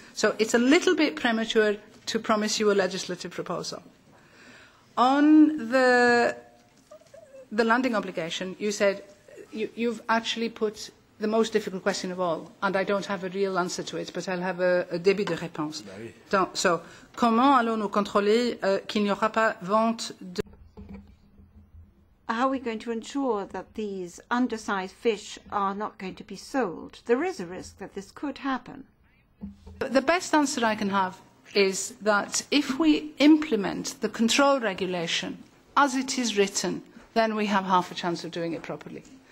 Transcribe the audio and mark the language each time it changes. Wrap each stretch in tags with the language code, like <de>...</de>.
<en>So it's a little bit premature to promise you a legislative proposal. On the landing obligation, you said you've actually put the most difficult question of all, and I don't have a real answer to it, but I'll have a</en> <fr>début de réponse. Donc, so, comment allons-nous contrôler qu'il n'y aura pas vente de...</fr> <en>How are we going to ensure that these undersized fish are not going to be sold? There is a risk that this could happen. The best answer I can have is that if we implement the control regulation as it is written, then we have half a chance of doing it properly.</en>